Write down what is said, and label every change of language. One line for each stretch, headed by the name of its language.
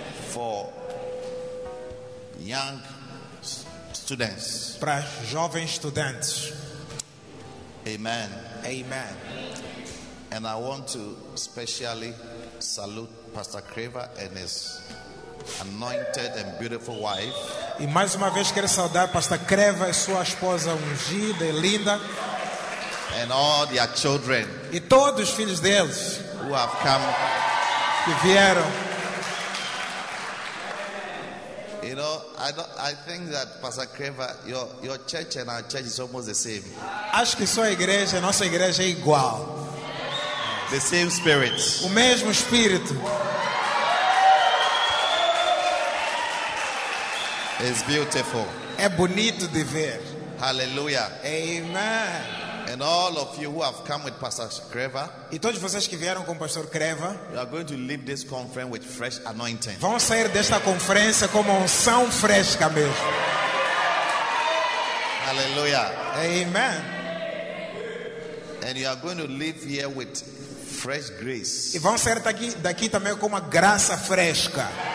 English: For young students.
Portuguese: Para jovens estudantes.
English: Amen.
Portuguese: Amen.
English: And I want to specially salute Pastor Craver and his anointed and beautiful wife.
Portuguese: E mais uma vez quero saudar Pastor Creva e sua esposa ungida e linda.
English: And all their children.
Portuguese: E todos os filhos deles.
English: Who have come.
Portuguese: Que vieram.
English: You know, I think that Pastor Creva, your church and our church is almost the same.
Portuguese: Acho que sua igreja, nossa igreja é igual.
English: The same spirit.
Portuguese: O mesmo espírito.
English: It's beautiful.
Portuguese: É bonito de ver.
English: Hallelujah.
Portuguese: Amen.
English: And all of you who have come with Pastor Creva.
Portuguese: E todos vocês que vieram com o Pastor Creva.
English: You are going to leave this conference with fresh anointing.
Portuguese: Vão sair desta conferência com uma unção fresca mesmo.
English: Hallelujah.
Portuguese: Amen.
English: And you are going to leave here with fresh grace.
Portuguese: E vão sair daqui também com uma graça fresca.